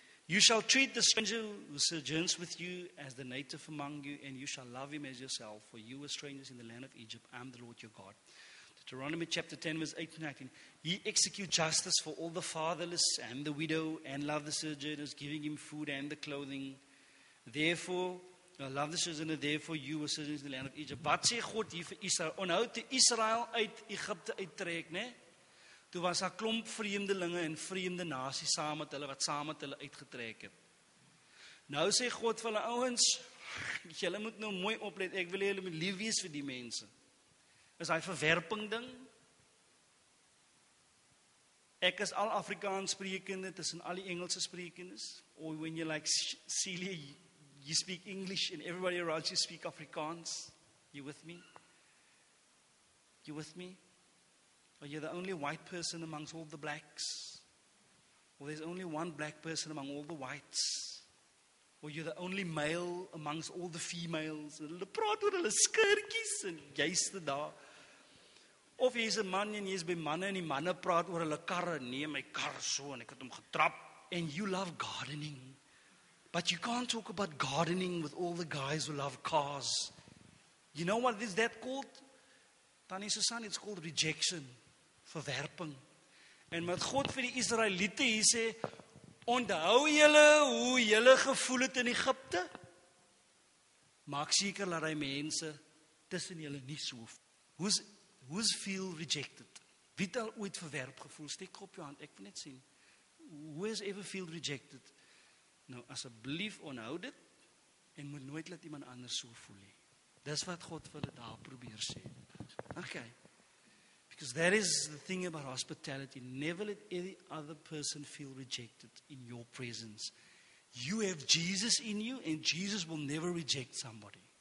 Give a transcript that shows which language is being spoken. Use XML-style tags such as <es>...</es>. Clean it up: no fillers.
<en>You shall treat the stranger who sojourns with you as the native among you, and you shall love him as yourself, for you were strangers in the land of Egypt. I am the Lord your God. Deuteronomy chapter 10, verse 8 and 19. Ye execute justice for all the fatherless and the widow, and love the sojourners, giving him food and the clothing. Therefore, you were sojourners in the land of Egypt.</en> <af>Wat sê God hier vir Israel? Onhou te Israel uit Egypte uittrek, né? Toe was daar klomp vreemdelinge en vreemde nasies saam met hulle, wat saam met hulle uitgetrek het. Nou sê God vir hulle ouens, julle moet nou mooi oplet, ek wil julle moet lief wees vir die mense. Is hy verwerping ding? Ek is al Afrikaans sprekende, tussen al die Engelse sprekendes,</af> <en>or when you like Celia, you speak English and everybody around you speak Afrikaans. You with me? You with me? Or you're the only white person amongst all the blacks. Or there's only one black person among all the whites. Or you're the only male amongst all the females.</en> <af>En hulle praat oor hulle skirtjies en juiste daar. Of jy is 'n man en jy is by manne en die manne praat oor hulle karre. Nee, my kar so en ek het hom getrap.</af> <en>And you love gardening. But you can't talk about gardening with all the guys who love cars. You know what is that called? Tannie Susan, it's called rejection. Verwerping.</en> <af>En wat God vir die Israeliete hier sê, onthou julle hoe julle gevoel het in Egipte? Maak seker dat hy mense tussen julle nie so voel.</af> <en>Who's feel rejected?</en> <af>Wie het al ooit verwerp gevoel? Steek op jou hand, ek wil net sien.</af> <en>Who has ever feel rejected?</en> <af>Nou, asseblief onthou dit, en moet nooit laat iemand anders so voel. Dis wat God vir hulle daar probeer sê.</af> <en>Okay. Because that is the thing about hospitality. Never let any other person feel rejected in your presence. You have Jesus in you, and Jesus will never reject somebody.</en>